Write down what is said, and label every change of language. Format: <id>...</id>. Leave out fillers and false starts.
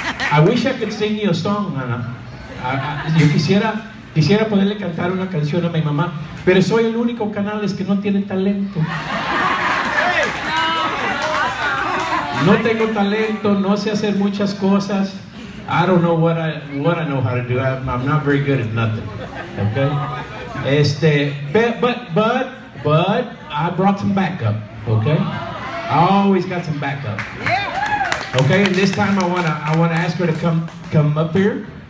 <en>I wish I could sing you a song, Ana.</en> <es>Yo quisiera poderle cantar una canción a mi mamá, pero soy el único canal que no tiene talento. No tengo talento, no sé hacer muchas cosas.</es> <en>I don't know what I know how to do. I'm not very good at nothing. Okay? But I brought some backup. Okay? I always got some backup. Okay? And this time I wanna ask her to come up here.</en>